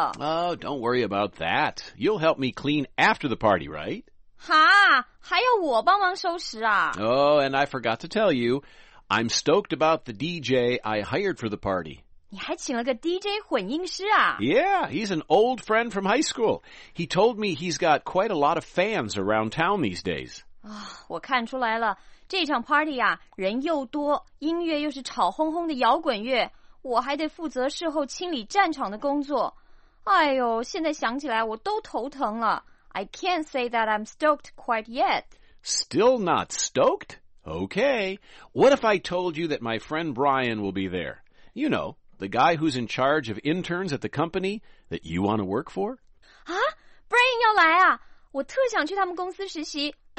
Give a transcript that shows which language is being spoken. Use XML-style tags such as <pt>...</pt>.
<en>Oh, don't worry about that. You'll help me clean after the party, right?</en> <zh>哈?还要我帮忙收拾啊?</zh> <en>Oh, and I forgot to tell you, I'm stoked about the DJ I hired for the party.</en> <zh>你还请了个 DJ 混音师啊?</zh> <en>Yeah, he's an old friend from high school. He told me he's got quite a lot of fans around town these days.</en> <zh>我看出来了，这场 party 啊，人又多，音乐又是吵哄哄的摇滚乐，我还得负责事后清理战场的工作。哎呦，现在想起来我都头疼了。</zh> <en>I can't say that I'm stoked quite yet. Still not stoked? Okay. What if I told you that my friend Brian will be there? You know,The guy who's in charge of interns at the company that you want to work for?</en> <zh>Brian 要来啊！我特想去他们公司实习。</zh>